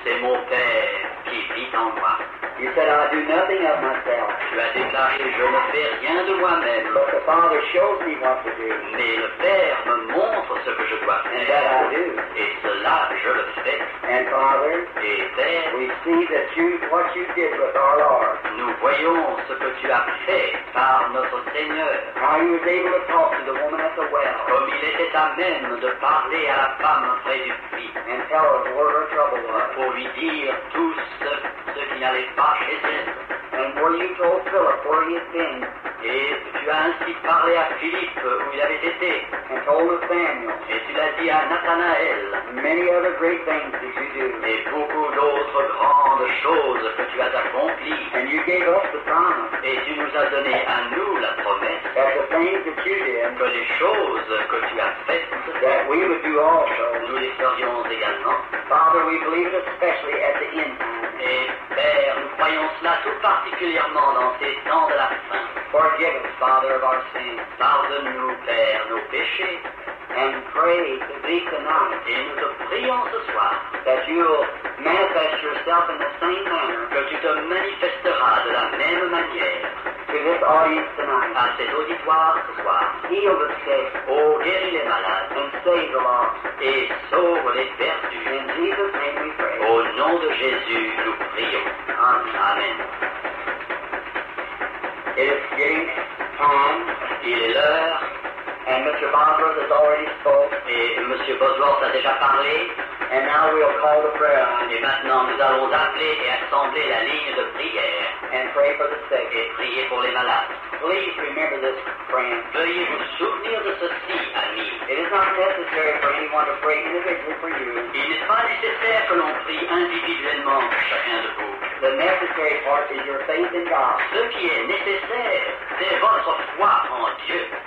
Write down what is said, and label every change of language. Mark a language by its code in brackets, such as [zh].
[fr] C'est mon Père qui vit en moi. [en] You said, I do nothing of myself. [fr] Tu as déclaré, je ne fais rien de moi-même. [en] But the Father shows me what to do. [fr] Mais le Père me montre ce que je dois faire. [en] And that I do. [fr] Et cela, je le fais. [en] And Father, [fr] et Père, [en] we see that you, what you did with our Lord. [fr] Nous voyons ce que tu as fait par notre Seigneur. [en] How he was able to talk to the woman at the well. [fr] Comme il était à même de parler à la femme près du puits. [en] And tell her what her trouble was. [fr] Pour lui dire tout ce qui n'allait pas. [en] And were you told Philip where he had been? [fr] Et tu as ainsi parlé à Philippe où il avait été. [en] And told Nathanael. [fr] Et tu l'as dit à Nathanael. [en] Many other great things that you do. [fr] Et beaucoup d'autres grandes choses que tu as accomplies. [en] And you gave us the promise. [fr] Et tu nous as donné à nous la promesse. [en] That the things that you did. [fr] Que les choses que tu as faites. [en] That we would do also. [fr] Nous les ferions également. [en] Father, we believe especially at the end time. [fr] Et Père, nous croyons cela tout particulièrement dans ces temps de la fin. [en] Forgive us, Father, of our sins. [fr] Pardonne-nous, Père, nos péchés. [en] And pray to be tonight. [fr] Et nous te prions ce soir. [en] That you'll manifest yourself in the same manner. [fr] Que tu te manifesteras de la même manière. [en] To this audience tonight. [fr] À cet auditoire ce soir. [en] Heal the sick. [fr] Oh, guéris les malades. [en] And save the lost. [fr] Et sauve les perdus. [en] In Jesus' name we pray. [fr] Au nom de Jésus, nous prions. [en] Amen. [fr] Amen. [en] It is getting time. [fr] Il est l'heure. [en] And Mr. Bosworth has already spoken. [fr] Et M. Bosworth a déjà parlé. [en] And now we'll call the prayer line. [fr] Et maintenant, nous allons appeler et assembler la ligne de prière. [en] And pray for the sick. [fr] Et prier pour les malades. [en] Please remember this, friend. [fr] Veuillez vous souvenir de ceci, ami. [en] It is not necessary for anyone to pray individually for you. [fr] Il n'est pas nécessaire que l'on prie individuellement pour chacun de vous. [en] The necessary part is your faith in God. [fr] Ce qui est nécessaire, c'est votre foi en Dieu.